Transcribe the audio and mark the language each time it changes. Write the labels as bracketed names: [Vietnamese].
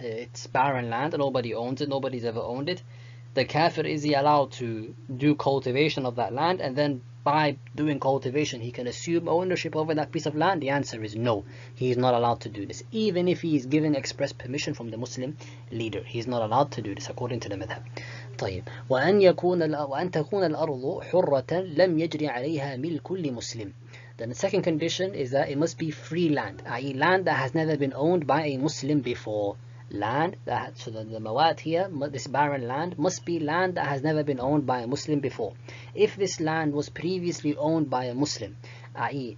[English] It's barren land, and nobody owns it, nobody's ever owned it. The kafir, is he allowed to do cultivation of that land, and then by doing cultivation he can assume ownership over that piece of land? The answer is no, he is not allowed to do this, even if he is given express permission from the Muslim leader. He is not allowed to do this according to the madhab. [Arabic] طيب, وأن تكون الأرض حرة لم يجري عليها ملك لمسلم. [English] Then the second condition is that it must be free land, i.e. land that has never been owned by a Muslim before. Land that, so the mawat here, this barren land, must be land that has never been owned by a Muslim before. If this land was previously owned by a Muslim, i.e.